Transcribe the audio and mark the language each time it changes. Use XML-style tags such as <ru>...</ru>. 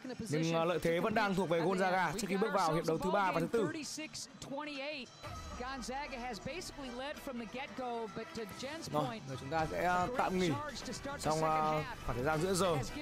<vi>Nhưng lợi thế vẫn đang thuộc về Gonzaga trước khi bước vào hiệp đấu thứ 3 và thứ 4.</vi> <en>Gonzaga has basically led from the get-go, but to Jen's point,</en> <vi>rồi chúng ta sẽ tạm nghỉ trong khoảng thời gian giữa giờ.</vi>